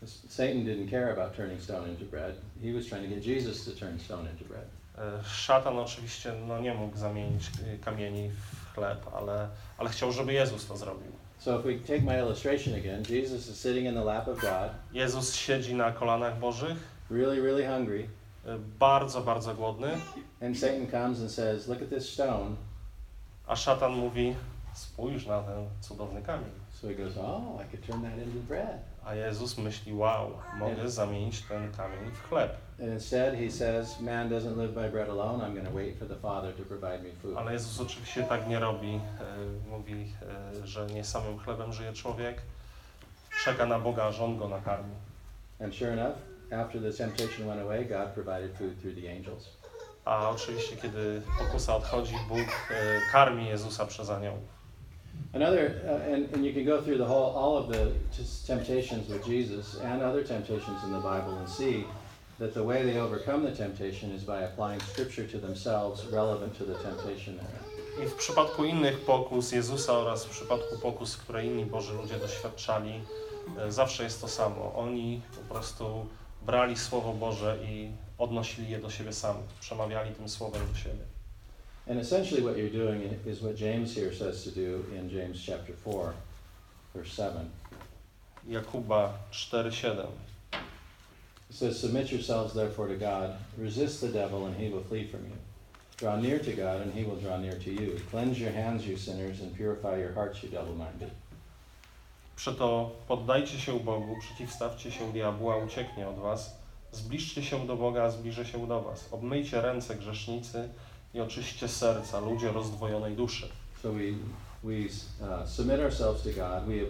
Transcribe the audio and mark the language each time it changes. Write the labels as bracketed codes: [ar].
[en] Satan didn't care about turning stone into bread. He was trying to get Jesus to turn stone into bread. [pl] Szatan oczywiście nie mógł zamienić kamieni w chleb, ale chciał, żeby Jezus to zrobił. [en] So if we take my illustration again, Jesus is sitting in the lap of God. [pl] Jezus siedzi na kolanach Bożych. [en] Really, really hungry. [pl] Bardzo, bardzo głodny. [en] And Satan comes and says, "Look at this stone." [pl] A szatan mówi, spójrz na ten cudowny kamień. [en] So he goes, oh, I could turn that into bread. [pl] A Jezus myśli, wow, mogę zamienić ten kamień w chleb. [en] And instead he says, man doesn't live by bread alone, I'm going to wait for the Father to provide me food. [pl] Ale Jezus oczywiście tak nie robi. Mówi, że nie samym chlebem żyje człowiek. Czeka na Boga, aż on go nakarmi. [en] And sure enough, after the temptation went away, God provided food through the angels. [pl] A oczywiście, kiedy pokusa odchodzi, Bóg karmi Jezusa przez anioł. [en] Another, and you can go through the whole, all of the temptations with Jesus and other temptations in the Bible and see that the way they overcome the temptation is by applying scripture to themselves relevant to the temptation there. [pl] I w przypadku innych pokus Jezusa oraz w przypadku pokus, które inni Boży ludzie doświadczali, zawsze jest to samo. Oni po prostu brali Słowo Boże i odnosili je do siebie sami, przemawiali tym Słowem do siebie. [en] And essentially what you're doing is what James here says to do in James chapter 4, verse 7. [pl] Jakuba 4:7. [en] It says, submit yourselves therefore to God, resist the devil and he will flee from you. Draw near to God and he will draw near to you. Cleanse your hands, you sinners, and purify your hearts, you double-minded. [pl] Przeto poddajcie się Bogu, przeciwstawcie się diabłu, a ucieknie od was. Zbliżcie się do Boga, a zbliży się do was. Obmyjcie ręce, grzesznicy, i oczyście serca, ludzie rozdwojonej duszy. [en] So we submit ourselves to God.